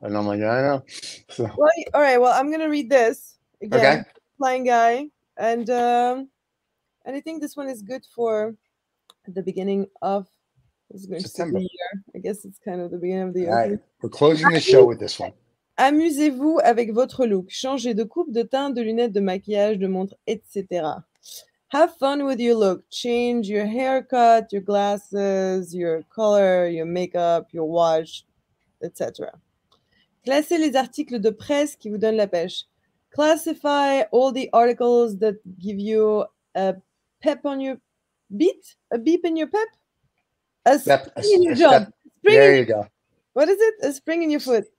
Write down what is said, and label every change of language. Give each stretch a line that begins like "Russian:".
English: And I'm like, yeah, I know. So. Well, all right. Well, I'm going to read this again. Okay. Flying guy. And I think this one is good for the beginning of September. The year. I guess it's kind of the beginning of the year. All right. We're closing the show with this one.
French: Amusez-vous avec votre look. Changez de coupe, de teint, de lunettes, de maquillage, de montre, etc.
English: Have fun with your look. Change your haircut, your glasses, your color, your makeup, your watch, etc.
French: Classez les articles de presse qui vous donnent la pêche.
English: Classify all the articles that give you a pep on your beat, a beep in your pep, a step, spring in your job. There you go. What is it? A spring in your foot.